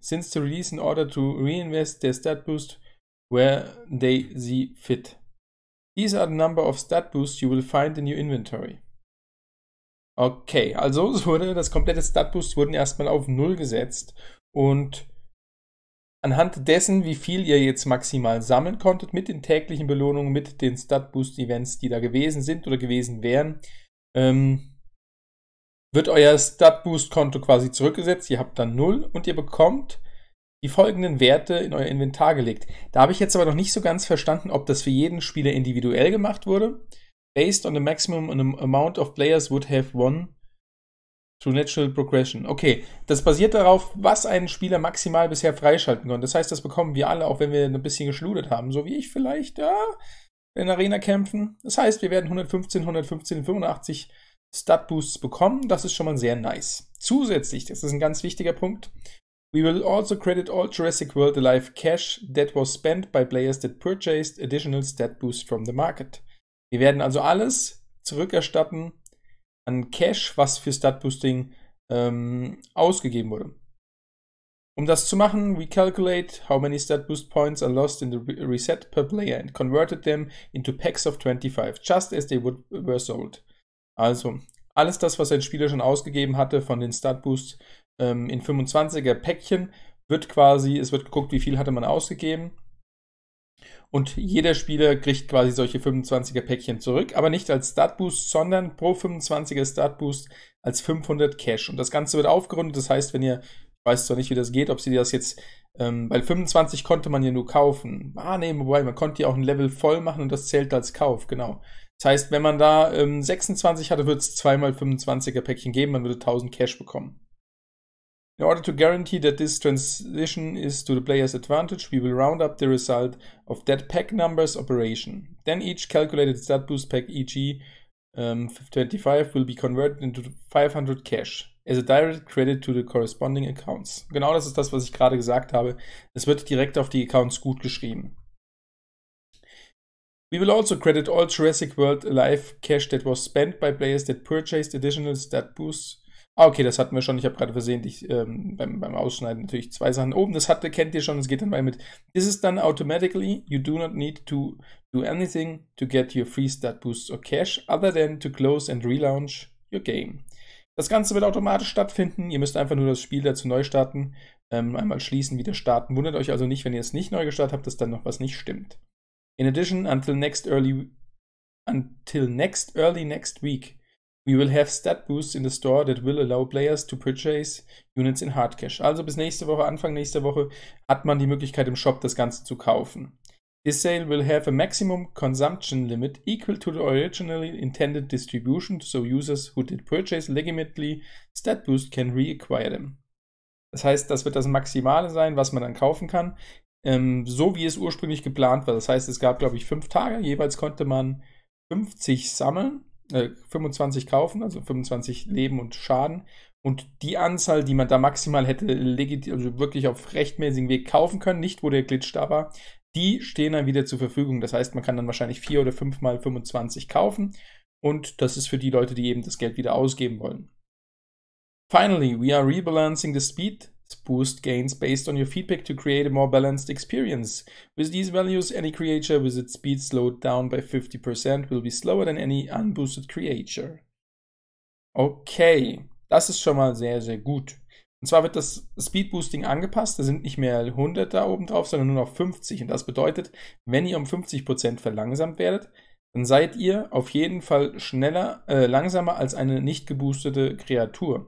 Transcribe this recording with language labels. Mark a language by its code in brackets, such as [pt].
[en] Since the release, in order to reinvest their stat boost where they see fit. These are the number of stat boosts you will find in your inventory. [de] Okay, also es wurde das komplette Stat-Boost wurden erstmal auf 0 gesetzt und anhand dessen, wie viel ihr jetzt maximal sammeln konntet mit den täglichen Belohnungen, mit den Stat-Boost-Events, die da gewesen sind oder gewesen wären, wird euer Stat-Boost-Konto quasi zurückgesetzt. Ihr habt dann 0 und ihr bekommt die folgenden Werte in euer Inventar gelegt. Da habe ich jetzt aber noch nicht so ganz verstanden, ob das für jeden Spieler individuell gemacht wurde. [en] Based on the maximum amount of players would have won through natural progression. [de] Okay, das basiert darauf, was ein Spieler maximal bisher freischalten konnte. Das heißt, das bekommen wir alle, auch wenn wir ein bisschen geschludert haben, so wie ich vielleicht da ja, in Arena kämpfen. Das heißt, wir werden 115, 115, 85 Stat-Boosts bekommen. Das ist schon mal sehr nice. Zusätzlich, das ist ein ganz wichtiger Punkt. [en] We will also credit all Jurassic World Alive cash that was spent by players that purchased additional Stat-Boosts from the market. [de] Wir werden also alles zurückerstatten an Cash, was für Stat-Boosting ausgegeben wurde. Um das zu machen, [en] we calculate how many Stat-Boost points are lost in the re reset per player and converted them into packs of 25, just as they would were sold. [de] Also, alles das, was ein Spieler schon ausgegeben hatte von den Stat-Boosts in 25er Päckchen, wird quasi, es wird geguckt, wie viel hatte man ausgegeben. Und jeder Spieler kriegt quasi solche 25er Päckchen zurück, aber nicht als Stat-Boost, sondern pro 25er Stat-Boost als 500 Cash. Und das Ganze wird aufgerundet. Das heißt, wenn ihr, ich weiß zwar nicht, wie das geht, ob sie das jetzt, weil 25 konnte man ja nur kaufen. Ah, nee, wobei, man konnte ja auch ein Level voll machen und das zählt als Kauf, genau. Das heißt, wenn man da 26 hatte, wird es zweimal 25er Päckchen geben, man würde 1000 Cash bekommen. [en] In order to guarantee that this transition is to the player's advantage, we will round up the result of that pack numbers operation. Then each calculated stat boost pack, e.g. 25, will be converted into 500 cash as a direct credit to the corresponding accounts. [de] Genau das ist das, was ich gerade gesagt habe. Es wird direkt auf die Accounts gutgeschrieben. [en] We will also credit all Jurassic World Alive cash that was spent by players that purchased additional stat boosts. [de] Okay, das hatten wir schon. Ich habe gerade versehentlich beim Ausschneiden natürlich zwei Sachen oben. Das hatte, kennt ihr schon. Es geht dann mal mit. [en] This is done automatically. You do not need to do anything to get your free stat boosts or cash, other than to close and relaunch your game. [de] Das Ganze wird automatisch stattfinden. Ihr müsst einfach nur das Spiel dazu neu starten, einmal schließen, wieder starten. Wundert euch also nicht, wenn ihr es nicht neu gestartet habt, dass dann noch was nicht stimmt. [en] In addition, until next early next week. We will have stat boosts in the store that will allow players to purchase units in hard cash. [de] Also bis nächste Woche, Anfang nächster Woche, hat man die Möglichkeit im Shop das Ganze zu kaufen. [en] This sale will have a maximum consumption limit equal to the originally intended distribution, so users who did purchase legitimately stat boost can reacquire them. [de] Das heißt, das wird das Maximale sein, was man dann kaufen kann. So wie es ursprünglich geplant war. Das heißt, es gab, glaube ich, 5 Tage. Jeweils konnte man 50 sammeln, 25 kaufen, also 25 Leben und Schaden. Und die Anzahl, die man da maximal hätte legit also wirklich auf rechtmäßigen Weg kaufen können, nicht wo der Glitch da war, die stehen dann wieder zur Verfügung. Das heißt, man kann dann wahrscheinlich 4 oder 5 mal 25 kaufen. Und das ist für die Leute, die eben das Geld wieder ausgeben wollen. [en] Finally, we are rebalancing the speed boost gains based on your feedback to create a more balanced experience. With these values, any creature with its speed slowed down by 50% will be slower than any unboosted creature. [de] Okay, das ist schon mal sehr, sehr gut. Und zwar wird das Speed Boosting angepasst. Da sind nicht mehr 100 da oben drauf, sondern nur noch 50. Und das bedeutet, wenn ihr um 50% verlangsamt werdet, dann seid ihr auf jeden Fall langsamer als eine nicht geboostete Kreatur.